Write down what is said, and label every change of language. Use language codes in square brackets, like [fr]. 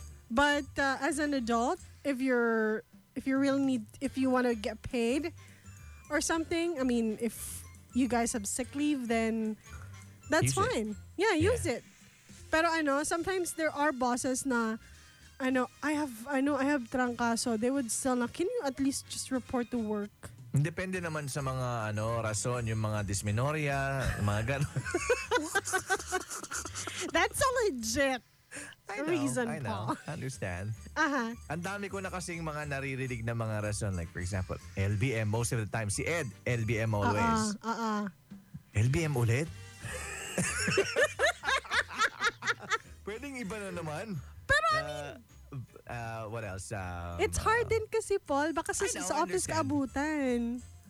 [en] But as an adult, if you want to get paid or something, I mean, if you guys have sick leave, then that's fine. Yeah, use it. [tl] Pero ano, [en] sometimes there are bosses na, I have trangkaso. They would still na, can you at least just report to work? [tl] Depende naman sa mga, ano, rason, yung mga dysmenorrhea, mga gano'n. [en] That's a legit reason, I know, [tl] pa. [en] I understand. Uh-huh. [tl] Ang dami ko na kasing mga naririnig na mga rason. [en] Like, for example, LBM, most of the time. Si Ed, LBM always. LBM ulit? [tl] Pwedeng iba na naman. Pero [en] what else? It's hard [tl] din kasi, Paul. Baka sa office ka abutan.